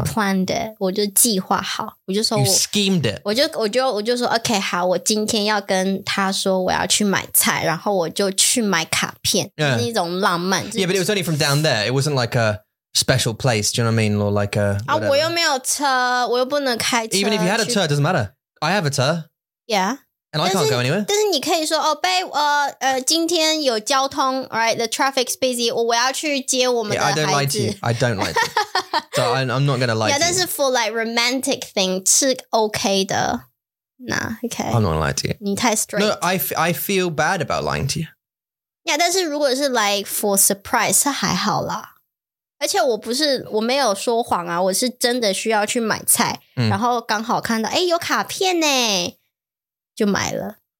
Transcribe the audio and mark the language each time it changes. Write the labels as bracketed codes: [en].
[en] I planned it. [zh] 我就计划好。我就说我。 [en] You schemed it. [zh] 我就说 OK, 好，我今天要跟他说我要去买菜，然后我就去买卡片。 [en] Yeah. [zh] 是一种浪漫。 [en] Yeah, but it was only from down there. It wasn't like a special place. Do you know what I mean? Or like a whatever. [zh] 啊，我又没有车，我又不能开车。 [en] Even if you had a车, it doesn't matter. I have a 车. Yeah. And I can't go anywhere. [zh] 但是你可以说哦，被今天有交通 ，right? [en] The traffic's busy. [zh] 我要去接我们的孩子。 [en] I don't like you. I don't like you. So I'm not gonna like you. Yeah, 但是 for like romantic thing, 是 okay 的。Nah, okay. I'm not gonna lie to you. [zh] 你太 straight. [en] No, I feel bad about lying to you. [zh] Yeah, 但是如果是 [en] like for surprise, [zh] 是还好啦。而且我没有说谎啊，我是真的需要去买菜，然后刚好看到哎有卡片呢。就买了。